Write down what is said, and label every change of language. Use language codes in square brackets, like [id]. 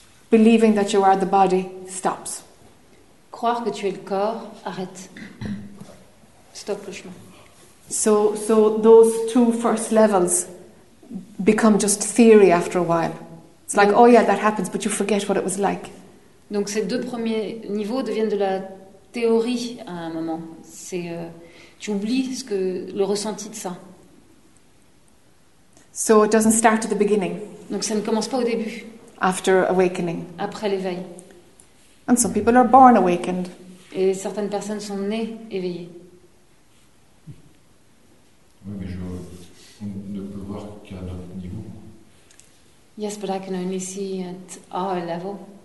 [en] Believing that you are the body stops. [fr] Croire que tu es le corps arrête. Stop le chemin. [en] So those two first levels become just theory after a while. It's like, oh yeah, that happens, but you forget what it was like. [fr] Donc ces deux premiers niveaux deviennent de la théorie à un moment. C'est, tu oublies ce que, le ressenti de ça. [en] So it doesn't start at the beginning. [fr] Donc ça ne commence pas au début. [en] After awakening. [fr] Après l'éveil. [en] And some people are born awakened. [fr] Et certaines personnes sont nées éveillées. Oui, mais on ne peut voir qu'à notre niveau. [en] Yes, but I can only see at our level.